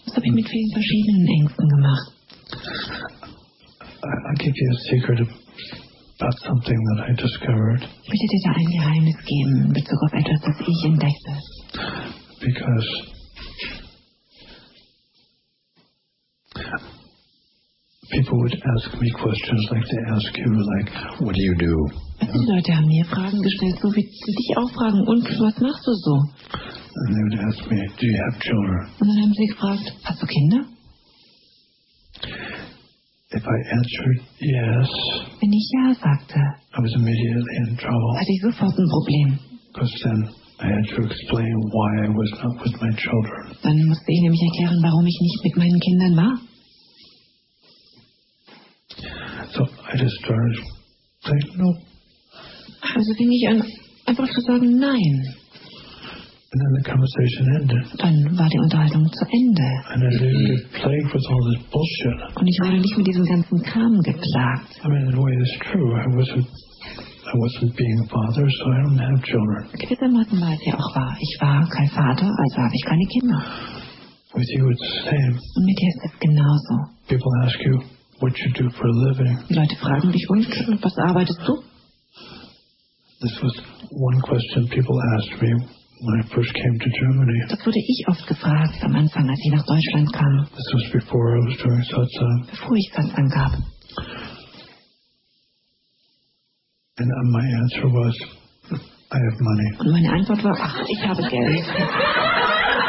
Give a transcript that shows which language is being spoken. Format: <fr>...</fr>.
<de>Das habe ich mit vielen verschiedenen Ängsten gemacht.</de> <en>I'll give you a secret about something that I discovered.</en> <de>Ich möchte dir da ein Geheimnis geben in Bezug auf etwas, das ich entdeckte.</de> <en>Because people would ask me questions like they ask you, like, what do you do?</en> <de>Die Leute haben mir Fragen gestellt, so wie sie dich auch fragen, und was machst du so?</de> <en>And they would ask me, do you have children?</en> <de>Und dann haben sie gefragt, hast du Kinder?</de> <en>If I answered yes,</en> <de>wenn ich ja sagte,</de> <en>I was immediately in trouble.</en> <de>Hatte ich sofort ein Problem.</de> <en>Because then I had to explain why I was not with my children.</en> <de>Dann musste ich nämlich erklären, warum ich nicht mit meinen Kindern war.</de> <en>So I just started saying no.</en> <de>Also fing ich an, einfach zu sagen nein.</de> <en>And then the conversation ended.</en> <de>Dann war die Unterhaltung zu Ende.</de> <en>And I didn't get plagued with all this bullshit.</en> <de>Und ich wurde nicht mit diesem ganzen Kram geplagt.</de> <en>I mean, in a way it's true. I wasn't being a father, so I don't have children.</en> <de>Gewissermaßen war es ja auch wahr. Ich war kein Vater, also habe ich keine Kinder.</de> <en>With you it's the same.</en> <de>Und mit dir ist es genauso.</de> <en>People ask you, what you do for a living.</en> <de>Die Leute fragen dich, und was arbeitest du?</de> <en>This was one question people asked me when I first came to Germany.</en> <de>Das wurde ich oft gefragt am Anfang, als ich nach Deutschland kam.</de> <en>This was before I was doing Satsang.</en> <de>Bevor ich Satsang gab.</de> <en>And my answer was, I have money.</en> <de>Und meine Antwort war, ach, ich habe Geld.</de>